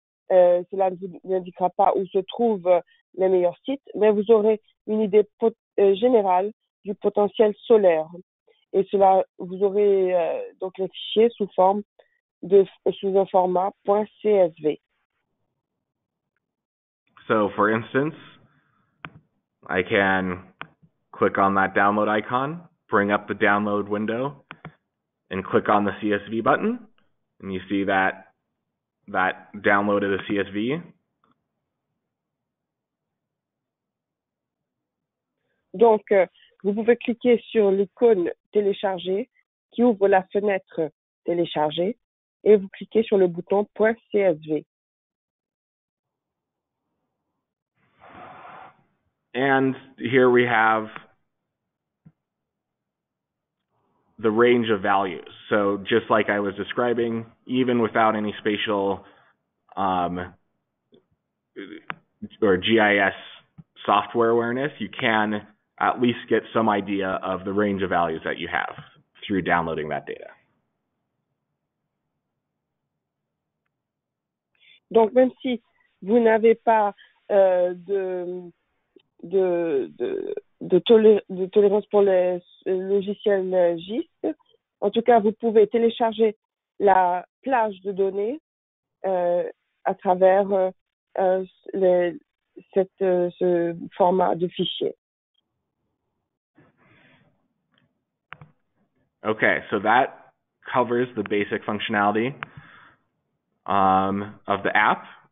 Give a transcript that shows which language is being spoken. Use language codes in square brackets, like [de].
[fr] Cela ne vous indiquera pas où se trouvent les meilleurs sites, mais vous aurez une idée générale du potentiel solaire. Et cela, vous aurez donc les fichiers sous forme de sous un format .csv. [en] So, for instance, I can click on that download icon, bring up the download window, and click on the CSV button, and you see that downloaded a CSV. [fr] Donc, vous pouvez cliquer sur l'icône télécharger qui ouvre la fenêtre télécharger et vous cliquez sur le bouton .csv. [en] And here we have the range of values. So just like I was describing, even without any spatial or GIS software awareness, you can at least get some idea of the range of values that you have through downloading that data. [fr] Donc même si vous n'avez pas de tolérance pour les logiciels GIS, en tout cas vous pouvez télécharger la plage de données à travers ce format de fichier. [en] Okay, so that covers the basic functionality of the app.